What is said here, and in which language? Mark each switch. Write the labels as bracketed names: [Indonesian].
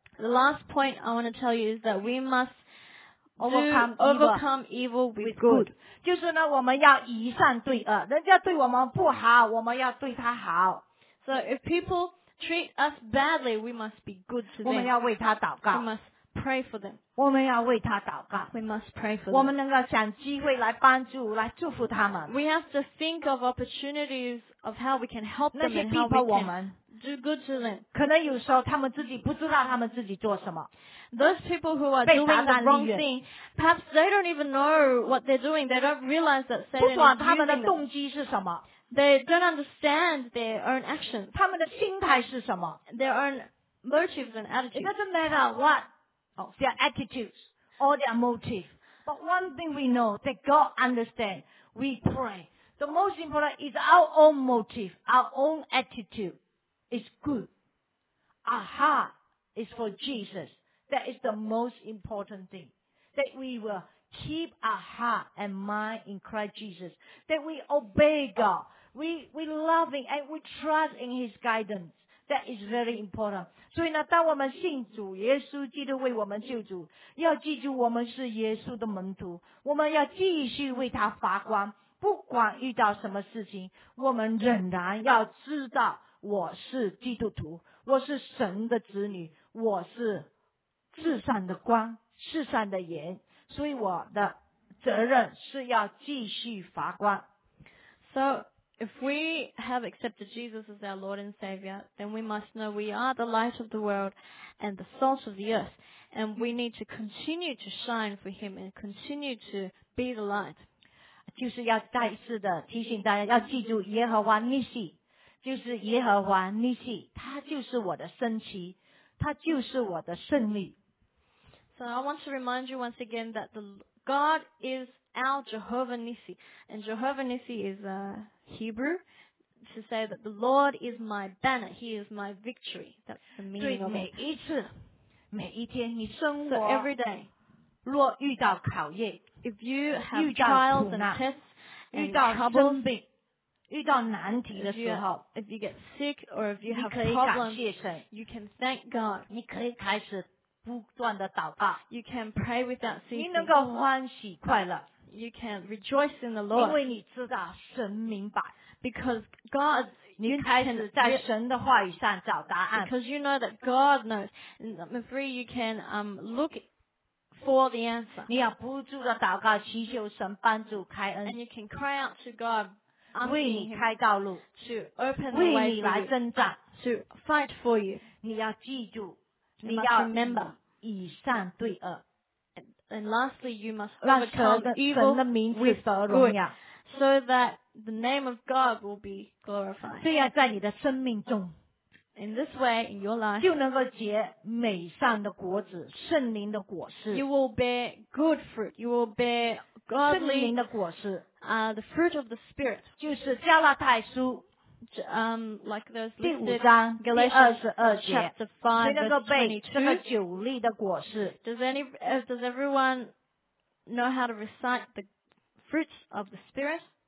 [English] The last point I want to tell you is that we must overcome evil with good. [Chinese] 就是呢，我们要以善对恶。人家对我们不好，我们要对他好。 [English] So if people treat us badly, we must be good to them. [Chinese] 我们要为他祷告。 [English] We must pray for them. [Chinese] 我们要为他祷告。 [English] We must pray for them. [Chinese] 我们能够想机会来帮助，来祝福他们。 [English] We have to think of opportunities of how we can help them and how we can do good to them. [Chinese] 可能有时候他们自己不知道他们自己做什么。 [English] Those people who are doing the wrong thing, perhaps they don't even know what they're doing. They don't realize that Satan is using them. [Chinese] 不管他们的动机是什么。 [English] They don't understand their own actions. [Chinese] 他们的心态是什么? [English] Their own motives and attitudes. It doesn't matter what their attitudes or their motive. But one thing we know that God understands, we pray. The most important is our own motive, our own attitude is good. Our heart is for Jesus. That is the most important thing. That we will keep our heart and mind in Christ Jesus. That we obey God. We love him and we trust in his guidance. That is very important. [Chinese] 所以呢，当我们信主，耶稣基督为我们救主，要记住我们是耶稣的门徒，我们要继续为他发光。不管遇到什么事情，我们仍然要知道我是基督徒，我是神的子女，我是世上的光，世上的盐。所以我的责任是要继续发光。 [English] So,If we have accepted Jesus as our Lord and Savior, then we must know we are the light of the world and the salt of the earth. And we need to continue to shine for Him and continue to be the light. [Chinese] 就是要再次的提醒大家要记住耶和华尼西就是耶和华尼西他就是我的神奇他就是我的胜利。 [English] So I want to remind you once again that God is our Jehovah Nissi. And Jehovah Nissi is a Hebrew to say that the Lord is my banner. He is my victory. That's the meaning of it. [Chinese] 每一天你生活 [English] So every day, [Chinese] 若遇到考验 [English] if you have trials and tests, [Chinese] 遇到生病遇到难题的时候 [English] if you get sick or if you have problems, you can thank God. [Chinese] 你可以开始不断的祷告 [English] You can pray without ceasing. [Chinese] 你能够欢喜快乐 [English] You can rejoice in the Lord. [Chinese] 因为你知道神明白 [English] Because God, [Chinese] 你开始在神的话语上找答案 [English] Because you know that God knows. Number three, you can look for the answer. [Chinese] 你要不住的祷告，祈求神帮助开恩 [English] And you can cry out to God, [Chinese] 为你开道路 [English] to open the way for you, [Chinese] 为你来征战 [English] to fight for you. [Chinese] 你要记住。 [English] You must remember, [Chinese] 以善对恶 [English] and lastly, you must overcome evil with good, so that the name of God will be glorified. [Chinese] 这样在你的生命中 [English] in this way, in your life, [Chinese] 就能够结美善的果子，圣灵的果实 [English] You will bear good fruit. You will bear godly, the fruit of the Spirit. [Chinese] 就是加拉太书 [English] like those [Chinese] 第五章 [English] Galatians 22. Does does everyone know how to recite the fruits of the Spirit?